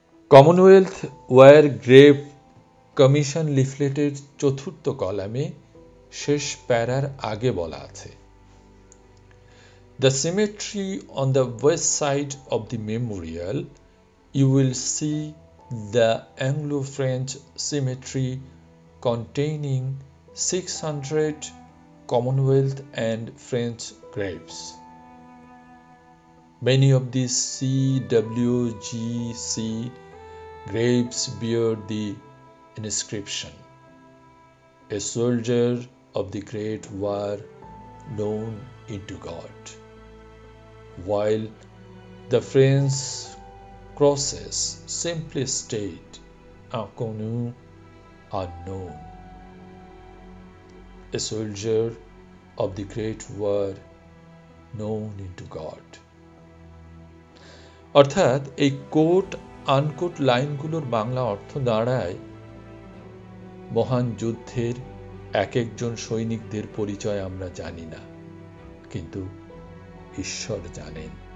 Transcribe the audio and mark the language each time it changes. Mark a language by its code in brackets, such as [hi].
[en] Commonwealth war grave commission [bn] লিফলেটের চতুর্থ কলামে শেষ প্যারার আগে বলা আছে, [en] The cemetery on the west side of the memorial You will see the Anglo-French cemetery containing 600 Commonwealth and French graves. Many of these CWGC graves bear the inscription, A soldier of the Great War known into God. While the French crosses simply state inconnu unknown, a soldier of the great war known into God. [bn] অর্থাৎ এই coat unquote লাইনগুলোর Bangla অর্থ দাঁড়ায়, মহান যুদ্ধের এক একজন সৈনিকদের পরিচয় আমরা জানি না, কিন্তু ঈশ্বর জানেন।